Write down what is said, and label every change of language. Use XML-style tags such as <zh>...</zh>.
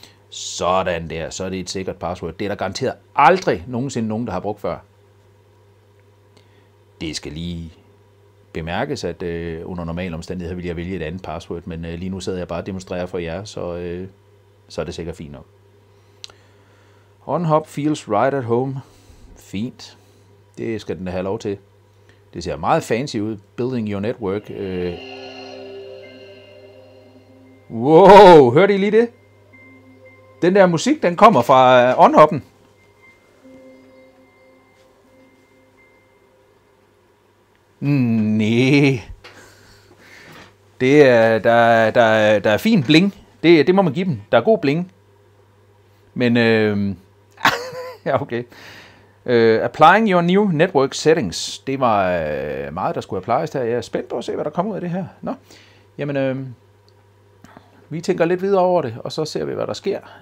<da>Sådan der. Så er det et sikkert password. Det er der garanteret aldrig nogensinde nogen, der har brugt før. Det skal lige bemærkes, at under normal omstændighed ville jeg vælge et andet password, men lige nu sidder jeg bare og demonstrerer for jer, så er det sikkert fint nok.</da> <en>OnHop feels right at home.</en> <da>Fint. Det skal den have lov til. Det ser meget fancy ud.</da> <en>Building your network.</en> <da>Wow, hørte I lige det? Den der musik, den kommer fra OnHop'en. Næh. Det er, der er fin bling. Det må man give dem. Der er god bling. Men, ja, okay.</da> <en>Applying your new network settings.</en> <da>Det var meget, der skulle applies der. Jeg er spændt på at se, hvad der kommer ud af det her. Nå, jamen, vi tænker lidt videre over det, og så ser vi, hvad der sker.</da>